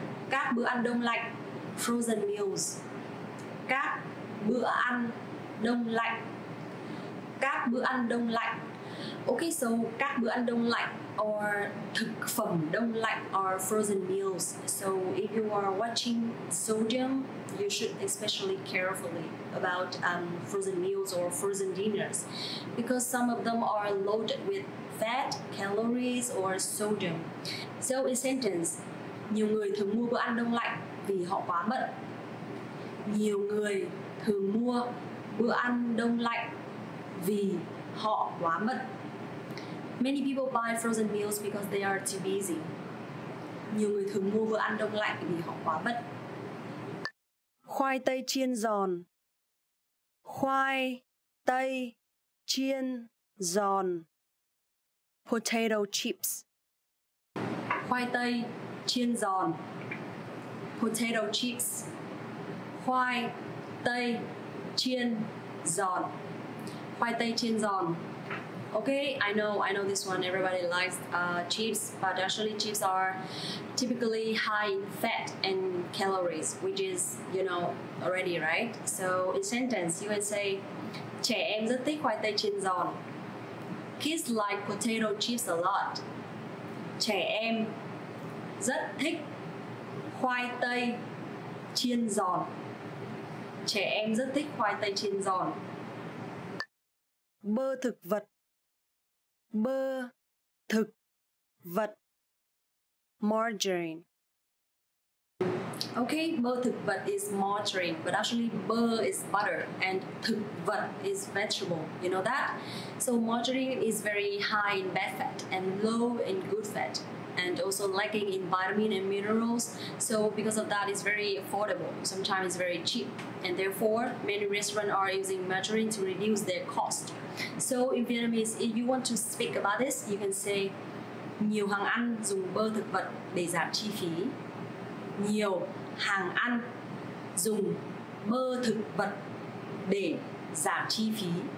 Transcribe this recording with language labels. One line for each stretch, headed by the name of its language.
Vietnamese: Các bữa ăn đông lạnh.
English: Frozen meals.
Vietnamese: Các bữa ăn đông lạnh. Các bữa ăn đông lạnh.
English: Okay, so
Vietnamese: các bữa ăn đông lạnh or thực phẩm đông lạnh
English: are frozen meals. So if you are watching sodium, you should especially carefully about frozen meals or frozen dinners, because some of them are loaded with fat, calories or sodium. So in sentence,
Vietnamese: nhiều người thường mua bữa ăn đông lạnh vì họ quá bận. Nhiều người thường mua bữa ăn đông lạnh vì họ quá bận.
English: Many people buy frozen meals because they are too busy.
Vietnamese: Nhiều người thường mua bữa ăn đông lạnh vì họ quá bận. Khoai tây chiên giòn. Khoai tây chiên giòn.
English: Potato chips.
Vietnamese: Khoai tây chiên giòn.
English: Potato chips.
Vietnamese: Khoai tây chiên giòn. Khoai tây chiên giòn.
English: Okay, I know this one. Everybody likes chips, but actually chips are typically high in fat and calories, which is, you know, already, right? So in sentence, you would say,
Vietnamese: trẻ em rất thích khoai tây chiên giòn.
English: Kids like potato chips a lot.
Vietnamese: Trẻ em rất thích khoai tây chiên giòn. Trẻ em rất thích khoai tây chiên giòn. Bơ thực vật. Bơ thực vật.
English: Margarine. Okay, bơ thực vật is margarine, but actually bơ is butter and thực vật is vegetable, you know that? So margarine is very high in bad fat and low in good fat and also lacking in vitamin and minerals. So because of that, it's very affordable, sometimes it's very cheap. And therefore, many restaurants are using margarine to reduce their cost. So in Vietnamese, if you want to speak about this, you can say
Vietnamese: nhiều hàng ăn dùng bơ thực vật để giảm chi phí. Nhiều hàng ăn dùng bơ thực vật để giảm chi phí.